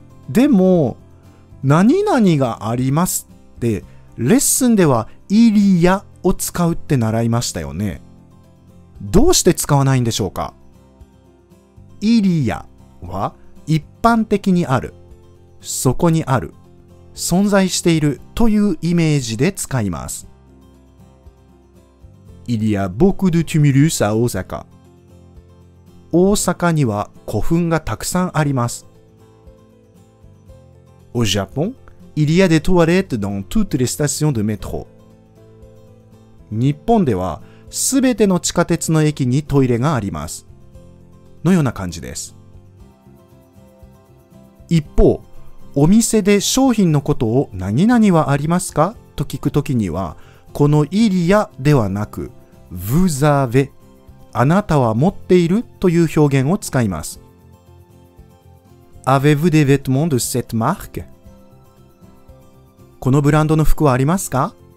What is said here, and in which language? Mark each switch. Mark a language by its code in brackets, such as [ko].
[ja] でも、何々がありますって、レッスンではイリヤを使うって習いましたよね。どうして使わないんでしょうか?イリヤは一般的にある、そこにある、存在しているというイメージで使います。 [fr] Il y a beaucoup de tumulus à Osaka. [ja] 大阪には古墳がたくさんあります。 [fr] Au Japon, il y a des toilettes dans toutes les stations de métro. [ja] 日本ではすべての地下鉄の駅にトイレがあります。のような感じです。一方、お店で商品のことを何々はありますか? と聞くときには、このイリヤではなく、 [fr] Vous avez、 [ja] あなたは持っているという表現を使います。 [fr] Avez-vous des vêtements de cette marque? [ja] このブランドの服はありますか?